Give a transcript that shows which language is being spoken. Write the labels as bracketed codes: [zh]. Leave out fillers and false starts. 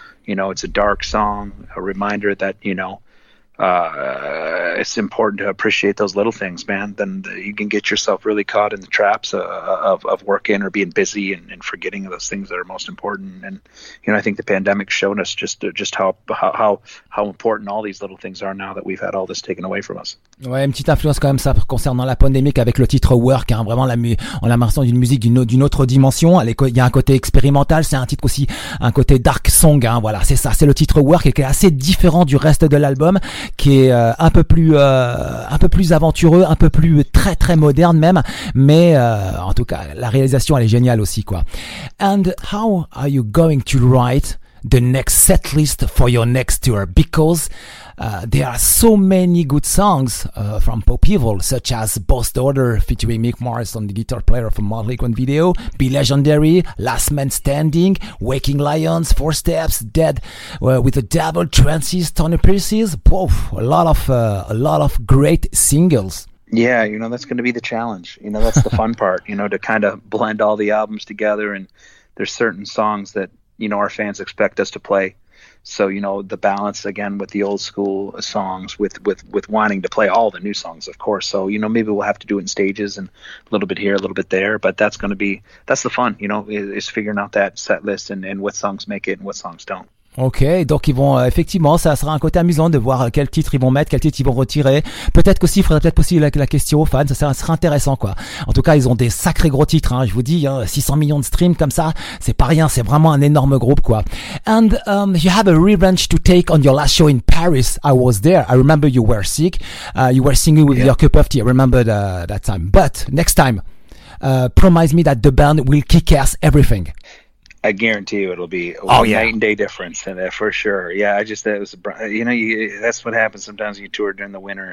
[en] You know, it's a dark song, a reminder that, you know, it's important to appreciate those little things, man. Then you can get yourself really caught in the traps of working or being busy and forgetting those things that are most important. And, you know, I think the pandemic showed us just how important all these little things are now that we've had all this taken away from us. [fr] Ouais, une petite influence quand même ça concernant la pandémie avec le titre Work, hein. Vraiment on a marqué d'une musique d'une autre dimension. Il y a un côté expérimental, c'est un titre aussi un côté dark song, hein. Voilà, c'est ça, c'est le titre Work qui est assez différent du reste de l'album, qui est un peu plus aventureux, un peu plus très très moderne même, mais en tout cas la réalisation elle est géniale aussi, quoi. [en] And how are you going to write the next set list for your next tour? Because there are so many good songs from Pop Evil, such as Boss Daughter featuring Mick Mars on the guitar player from Motley Crue video, Be Legendary, Last Man Standing, Waking Lions, Four Steps, Dead with the Devil, Trances, Tony Pierce's, a lot of great singles. Yeah, you know, that's going to be the challenge. You know, that's the fun part, you know, to kind of blend all the albums together. And there's certain songs that, you know, our fans expect us to play. So, you know, the balance again with the old school songs with wanting to play all the new songs, of course. So, you know, maybe we'll have to do it in stages and a little bit here, a little bit there, but that's the fun, you know, is figuring out that set list and what songs make it and what songs don't. [fr] Ok, donc ils vont effectivement, ça sera un côté amusant de voir quel titre ils vont mettre, quel titre ils vont retirer. Peut-être qu'aussi, il faudrait peut-être poser la question aux fans, ça sera intéressant quoi. En tout cas, ils ont des sacrés gros titres, hein, je vous dis, hein, 600 millions de streams comme ça, c'est pas rien, c'est vraiment un énorme groupe quoi. [en] And you have a revenge to take on your last show in Paris. I was there. I remember you were sick. You were singing with your cup of tea. I remember that time. But next time, promise me that the band will kick ass everything. I guarantee you it'll be Oh, a yeah. night and day difference in that for sure. Yeah, I just, that was, you know, that's what happens sometimes when you tour during the winter.